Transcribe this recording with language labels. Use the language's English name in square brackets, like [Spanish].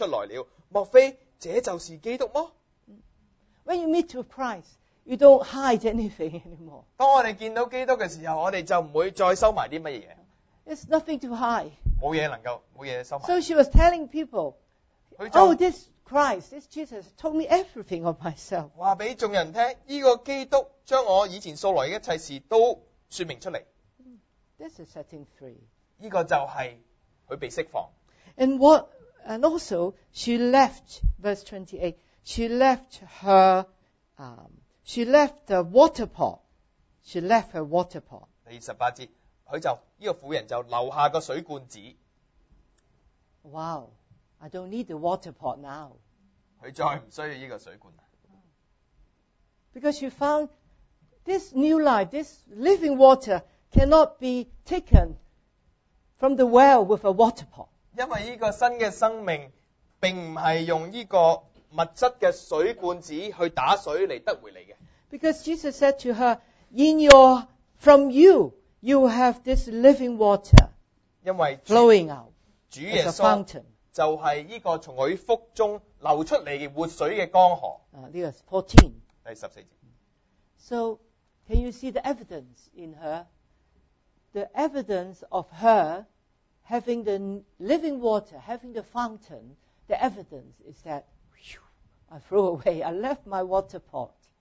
[Chinese] 那妇人就留下水罐子，往城里去，对众人说：你们来看，有一个人将我素来所行的一切事都给我说出来了。莫非这就是基督么？ [English] When you meet with Christ, you don't hide anything anymore. [Chinese] 当我们见到基督的时候，我们就不会再收埋什么东西。 [English] It's nothing to hide. [Chinese] 没东西收埋。 [English] So she was telling people, oh, this Christ, this Jesus told me everything of myself. [Chinese] 告诉众人，这个基督将我以前素来的一切事都说明出来。 [English] This is setting free. [Chinese] 这个就是他被释放。 [English] And what, and also, she left, verse 28, she left her, she left the water pot. She left her water pot. [Chinese] 第28节, 这个妇人就留下个水罐子。 [English] Wow, I don't need the water pot now. [Chinese] 他再不需要这个水罐。Because [English] she found this new life, this living water cannot be taken from the well with a water pot. [Chinese] 因为这个新的生命并不是用这个物质的水罐子去打水来得回来的。Because [English] Jesus said to her, in your, from you, you have this living water flowing out. [Chinese] 主耶稣 [English] as a fountain. [Chinese] 就是这个从他腹中流出来活水的江河。这个 14. 第14节。 [English] So, can you see the evidence in her? The evidence of her having the living water, having the fountain, the evidence is that, whew, I threw away, I left my water pot.